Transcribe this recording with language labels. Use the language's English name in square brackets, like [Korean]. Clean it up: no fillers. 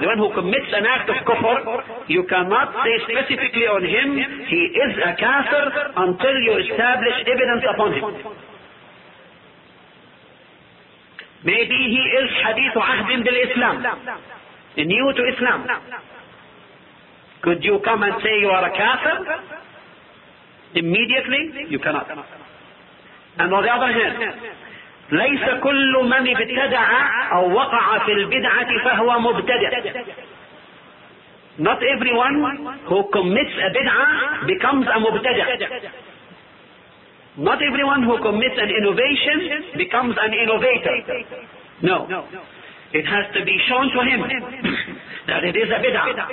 [English] The one who commits an act of kufr, you cannot say specifically on him he is a kafir until you establish evidence upon him. Maybe he is hadith ahd bil Islam, new to Islam. Could you come and say you are a kafir immediately? You cannot. And on the other hand, [Arabic] ليس كل من ابتدع أو وقع في البدعة فهو مبتدع. [English] Not everyone who commits a bid'ah becomes a مبتدع. Not everyone who commits an innovation becomes an innovator. No. It has to be shown to him that it is a bid'ah.